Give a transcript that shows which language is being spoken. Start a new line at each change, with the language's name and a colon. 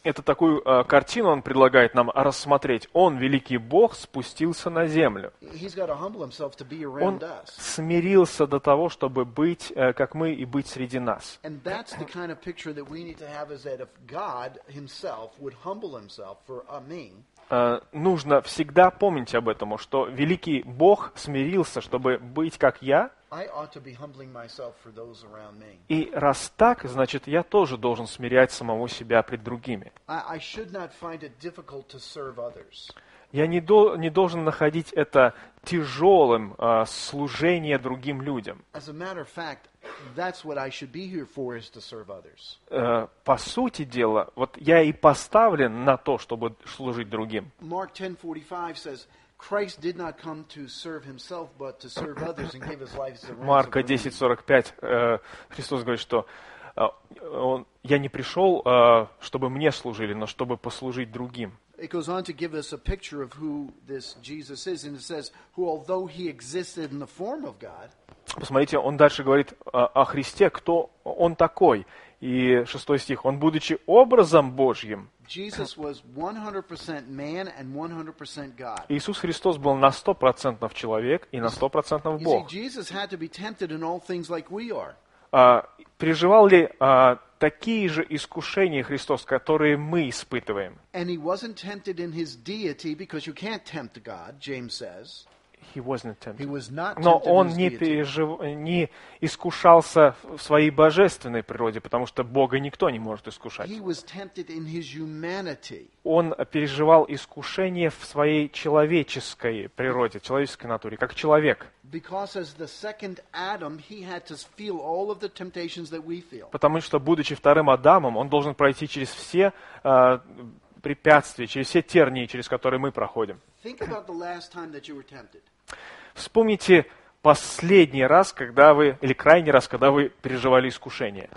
Russian: Это такую картину он предлагает нам рассмотреть. Он, великий Бог, спустился на землю.
English: He's got to humble himself to be around us.
Russian: Он смирился до того, чтобы быть как мы и быть среди нас.
English: And that's the kind of picture that we need to have is that if God himself would humble himself for me.
Russian: Нужно всегда помнить об этом, что великий Бог смирился, чтобы быть как я.
English: I ought to be humbling myself for those around me.
Russian: И раз так, значит, я тоже должен смирять самого себя пред другими.
English: I should not find it difficult to serve others.
Russian: Я не должен находить это тяжелым служение другим людям. По сути дела, вот я и поставлен на то, чтобы служить другим.
English: Mark 10:45 says, Christ did not come to serve himself, but to serve others and give his life as a ransom.
Russian: Марка 10:45 Христос говорит, что он, я не пришел, чтобы мне служили, но чтобы послужить другим.
English: It goes on to give us a picture of who this Jesus is, and it says, who although he existed in the form of God.
Russian: Посмотрите, он дальше говорит о Христе, кто он такой. И шестой стих, он будучи образом Божьим.
English: Jesus was 100% man and 100% God.
Russian: Иисус Христос был на 100% человек и на 100% Бог.
English: Jesus had to be tempted in all things like we are.
Russian: Переживал ли такие же искушения Христос, которые мы испытываем?
English: And he wasn't tempted in his deity because you can't tempt God, James says. He wasn't tempted. He was not tempted.
Russian: Но он не не искушался в своей божественной природе, потому что Бога никто не может искушать.
English: He was tempted in his humanity.
Russian: Он переживал искушение в своей человеческой природе, человеческой натуре, как человек.
English: Because as the second Adam, he had to feel all of the temptations that we feel.
Russian: Потому что будучи вторым Адамом, он должен пройти через все препятствия, через все тернии, через которые мы проходим.
English: Think about the last time that you were tempted.
Russian: Вспомните последний раз, когда вы, или крайний раз, когда вы переживали искушение.